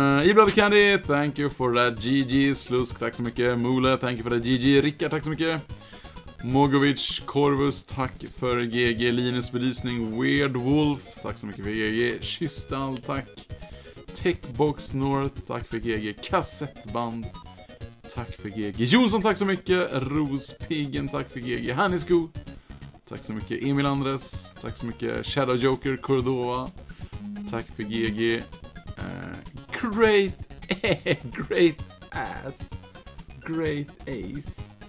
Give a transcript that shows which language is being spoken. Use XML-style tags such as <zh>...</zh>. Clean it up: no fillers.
<en>Ibrad Candy, thank you for that GG. Slusk,</en> <sv>tack så mycket.</sv> <en>Mule, thank you for that GG.</en> <sv>Rickard, tack så mycket. Mogovic, Corvus, tack för GG. Linus Belysning, Weird Wolf, tack så mycket för GG. Kystall, tack. Techbox North, tack för GG. Kassettband, tack för GG. Jonsson, tack så mycket. Rospiggen, tack för GG. Hannisko, tack så mycket. Emil Andres, tack så mycket. Shadow Joker, Cordova, tack för GG.</sv> <en>Great, great ass, great ace.</en>